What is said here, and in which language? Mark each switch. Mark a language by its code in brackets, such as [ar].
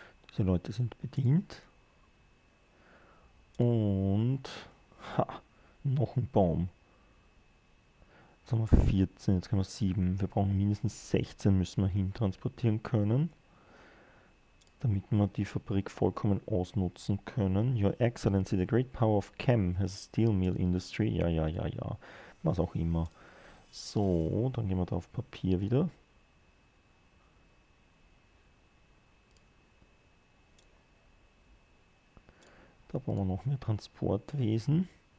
[de] Diese Leute sind bedient. Und ha, noch ein Baum. Jetzt haben wir 14, jetzt können wir 7. Wir brauchen mindestens 16, müssen wir hin transportieren können, damit wir die Fabrik vollkommen ausnutzen können. [en] Your Excellency, the great power of Chem has a steel mill industry. [de] Ja. Was auch immer. So, dann gehen wir da auf Papier wieder. Da brauchen wir noch mehr Transportwesen.